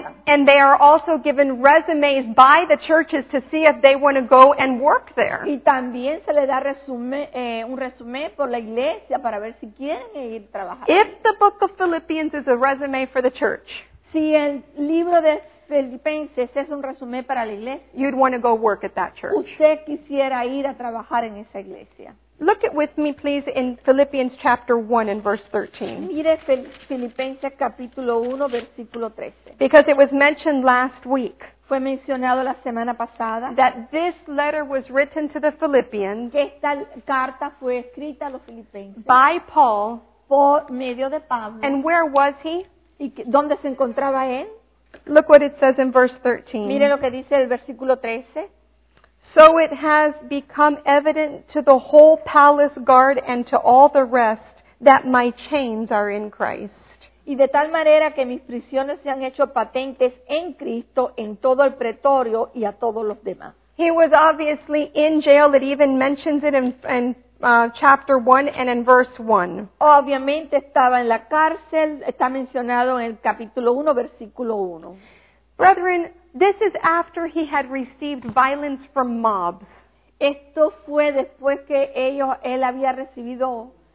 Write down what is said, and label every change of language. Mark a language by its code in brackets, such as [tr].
[en] And they are also given resumes by the churches to see if they want to go and work there. [es] Y también se le da un resumen por la iglesia para ver si quieren ir a trabajar. [en] If the book of Philippians is a resume for the church, [es] si el libro de Filipenses es un resumen para la iglesia, [en] you'd want to go work at that church. [es] Usted quisiera ir a trabajar en esa iglesia. [en] Look at with me, please, in Philippians chapter 1 and verse 13. [es] Mire Filipenses capítulo 1, versículo 13. [en] Because it was mentioned last week. [es] Fue mencionado la semana pasada. [en] That this letter was written to the Philippians. [es] Que esta carta fue escrita a los filipenses. [en] By Paul. [es] Por medio de Pablo. [en] And where was he? [es] ¿Y dónde se encontraba él? [en] Look what it says in verse 13. [es] Mire lo que dice el versículo 13. [en] So it has become evident to the whole palace guard and to all the rest that my chains are in Christ. [es] Y de tal manera que mis prisiones se han hecho patentes en Cristo, en todo el pretorio y a todos los demás. [en] He was obviously in jail. It even mentions it chapter 1 and in verse 1. [es] Obviamente estaba en la cárcel. Está mencionado en el capítulo 1, versículo 1. [en] Brethren, this is after he had received violence from mobs. [es] Esto fue después que él había recibido